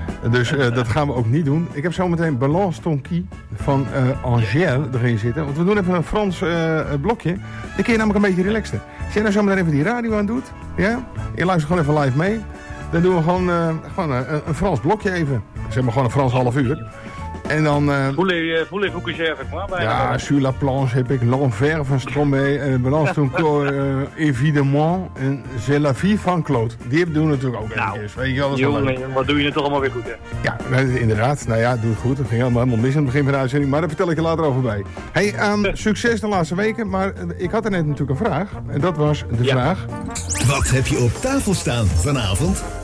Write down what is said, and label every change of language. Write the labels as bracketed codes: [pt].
[nl] Dus dat gaan we ook niet doen. Ik heb zometeen Balance Tonki van Angèle erin zitten. Want we doen even een Frans blokje. Dan kun je namelijk een beetje relaxen. Als jij nou zometeen even die radio aan doet. Ja? Je luistert gewoon even live mee. Dan doen we gewoon, een Frans blokje even. Zeg maar gewoon een Frans half uur. En dan... [fr] Voulez-vous que j'ai avec moi? [nl] Ja, sur la planche heb ik. L'envers van Stromae. [fr] Balance Tonki, évidemment. [nl] En c'est la vie van Claude. Die doen we natuurlijk ook. Wat doe je nu toch allemaal weer goed, hè? Ja, inderdaad. Nou ja, doe het goed. Dat ging helemaal mis aan het begin van de uitzending. Maar daar vertel ik je later over bij. Hey, succes de laatste weken. Maar ik had er net natuurlijk een vraag. En dat was de vraag... Wat heb je op tafel staan vanavond?